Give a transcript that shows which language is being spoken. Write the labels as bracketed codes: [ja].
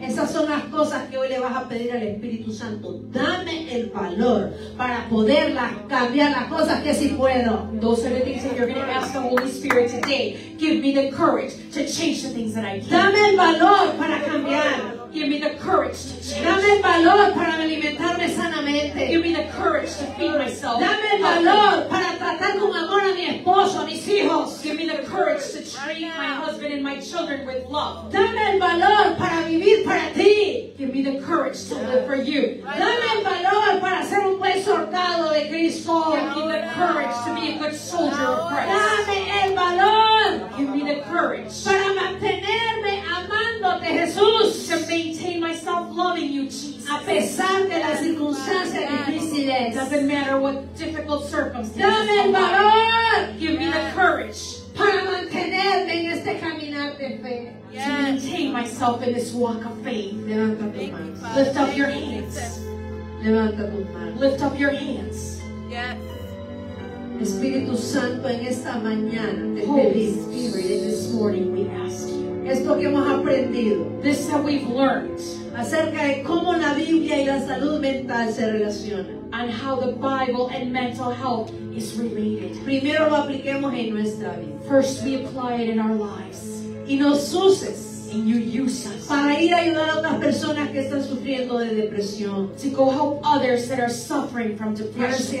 [es] Esas son las cosas que hoy le vas a pedir al Espíritu Santo. Dame el valor para poder cambiar las cosas que sí puedo. [en] Those are the things that you're going to ask the Holy Spirit today. Give me the courage to change the things that I can. [es] Dame el valor para cambiar. [en] Give me the courage to change. [es] Dame el valor para alimentarme sanamente. [en] Give me the courage to feed myself. [es] Dame el valor para tratar con amor a mi esposo, a mis hijos. [en] Give me the courage to treat my husband and my children with love. [es] Dame el valor para vivir para ti. [en] Give me the courage to live for you. [es] Dame el valor para ser un buen soldado de Cristo. [en] Give me the courage to be a good soldier of Christ. [es] Dame el valor. [en] Give me the courage. [es] Para mantenerme amándote, Jesús. [en] Maintain myself loving you, Jesus. [es] A pesar de las circunstancias difíciles. [en] Doesn't matter what difficult circumstances. [es] Dame el valor. [en] Give me the courage. [es] Para mantenerme en este caminar de fe. [en] Yes. To maintain myself in this walk of faith. [es] Levanta tus manos. [en] Lift up your hands. [es] Levanta tus manos. [en] Lift up your hands. Yes. Espíritu Santo, [es] en esta mañana, [en] Holy Spirit, in this morning, we ask you. [es] Esto que hemos aprendido. [en] This is how we've learned. [es] Acerca de cómo la Biblia y la salud mental se relacionan. [en] And how the Bible and mental health is related. [es] Primero lo apliquemos en nuestra vida. [en] First we apply it in our lives. [es] Y nos uses. [en] And you use us. [es] Para ir a ayudar a otras personas que están sufriendo de depresión. [en] To go help others that are suffering from depression.